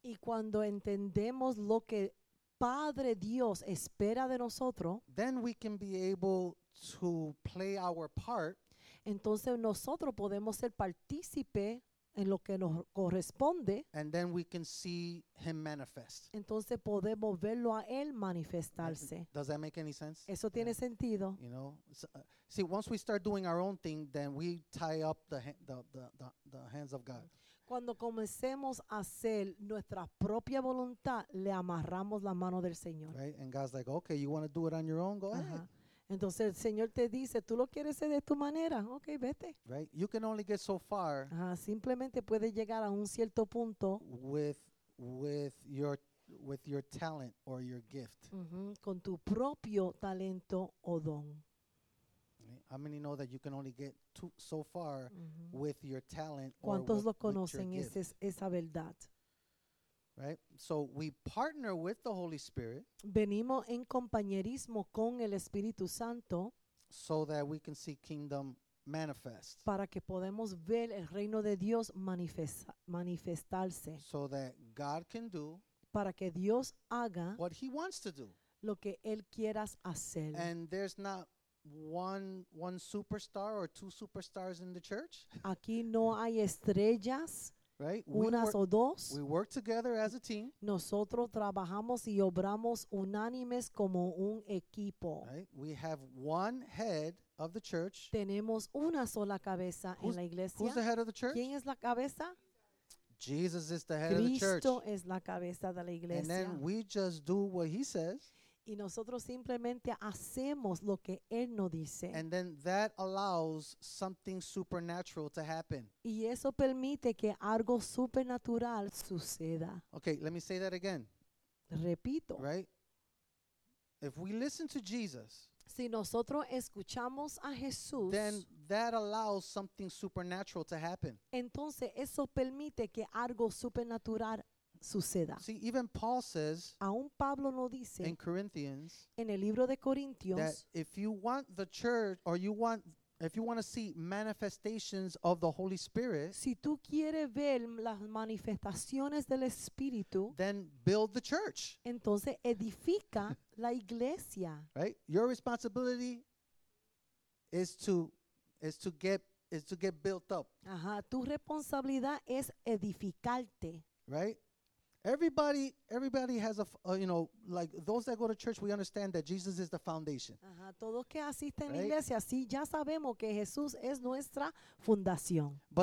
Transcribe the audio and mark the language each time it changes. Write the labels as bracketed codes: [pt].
[es] y cuando entendemos lo que Padre Dios espera de nosotros, [en] then we can be able to play our part. [es] Entonces nosotros podemos ser partícipe en lo que nos corresponde. [en] And then we can see him manifest. [es] Entonces podemos verlo a él manifestarse. [en] Does that make any sense? [es] Eso tiene sentido. [en] You know, so, see, once we start doing our own thing, then we tie up the hands of God. [es] Cuando comencemos a hacer nuestra propia voluntad, le amarramos la mano del Señor. [en] Right? And God's like, okay, you want to do it on your own? Go ahead. [es] Entonces el Señor te dice, tú lo quieres hacer de tu manera, okay, vete. [en] Right? You can only get so far. [es] Simplemente puedes llegar a un cierto punto. [en] With your talent or your gift. [es] Con tu propio talento o don. [en] How many know that you can only get so far with your talent or [es] ¿Cuántos [en] with, [es] lo conocen [en] with your gift? [es] Esa verdad. [en] Right? So we partner with the Holy Spirit. [es] Venimos en compañerismo con el Espíritu Santo. [en] So that we can see kingdom manifest. [es] Para que podamos ver el reino de Dios manifestarse. [en] So that God can do. [es] Para que Dios haga. [en] What he wants to do. [es] Lo que él quieras hacer. [en] And there's not one superstar or two superstars in the church. [es] Aquí no hay estrellas. [en] Right? [es] Unas o dos. [en] We work together as a team. [es] Nosotros trabajamos y obramos unánimes como un equipo. [en] Right? We have one head of the church. [es] Tenemos una sola cabeza en la iglesia. [en] Who's the head of the church? [es] ¿Quién es la cabeza? [en] Jesus is the head of the church. [es] Cristo es la cabeza de la iglesia. [en] And then we just do what he says. [es] Y nosotros simplemente hacemos lo que él nos dice. [en] And then that allows something supernatural to happen. [es] Y eso permite que algo supernatural suceda. [en] Okay, let me say that again. [es] Repito. [en] Right? If we listen to Jesus, [es] si nosotros escuchamos a Jesús, [en] then that allows something supernatural to happen. [es] Entonces eso permite que algo supernatural suceda. [en] See, even Paul says, [es] aún Pablo lo dice, [en] in Corinthians, [es] en el libro de Corintios, [en] that if you want the church, or you want If you want to see manifestations of the Holy Spirit, [es] si tú quieres ver las manifestaciones del Espíritu, [en] then build the church. [es] Entonces edifica la iglesia. [en] Right? Your responsibility is to get built up. [es] Ajá, tu responsabilidad es edificarte. [en] Right? Everybody has a, like those that go to church, we understand that Jesus is the foundation. [es] Ajá, todos que asisten a la iglesia, sí, ya sabemos que Jesús es nuestra fundación.